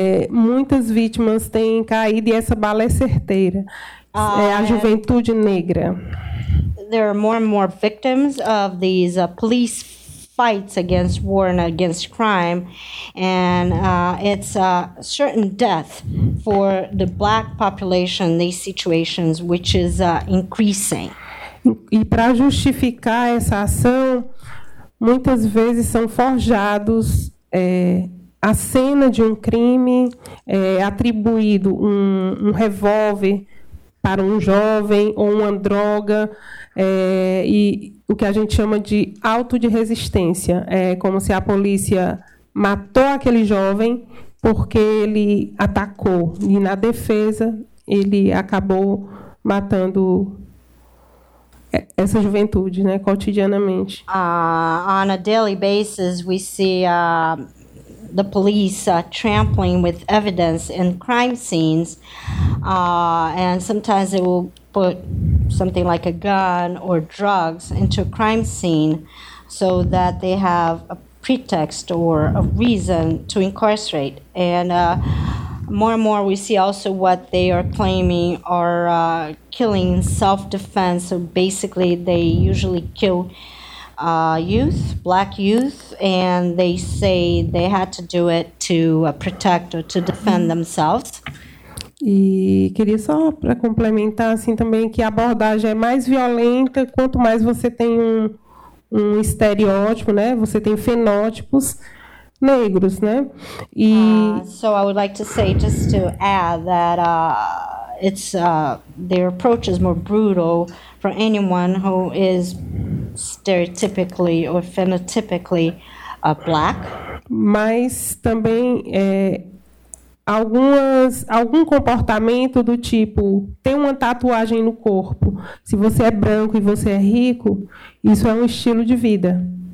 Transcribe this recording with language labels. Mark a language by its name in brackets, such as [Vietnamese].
[Portuguese] Muitas vítimas têm caído e essa bala é certeira. É a juventude negra. [English] There are more and more victims of these police fights against war and against crime, and it's a certain death for the black population in these situations, which is increasing. [Portuguese] E para justificar essa ação, muitas vezes são forjados a cena de um crime, atribuído um revólver para um jovem ou uma droga, e o que a gente chama de auto de resistência. É como se a polícia matou aquele jovem porque ele atacou, e na defesa ele acabou matando essa juventude, né, cotidianamente. [English] On a daily basis, we see the police trampling with evidence in crime scenes, and sometimes it will put something like a gun or drugs into a crime scene so that they have a pretext or a reason to incarcerate. And more and more we see also what they are claiming are killing self-defense. So basically they usually kill youth, black youth, and they say they had to do it to protect or to defend themselves. [Portuguese] E queria só para complementar assim também que a abordagem é mais violenta quanto mais você tem um estereótipo, né? Você tem fenótipos negros, né? E [English] so I would like to say, just to add, that it's their approach is more brutal for anyone who is stereotypically or phenotypically black. [Portuguese] Mas também algum comportamento do tipo tem uma tatuagem no corpo. Se você é branco e você é rico, isso é um estilo de vida.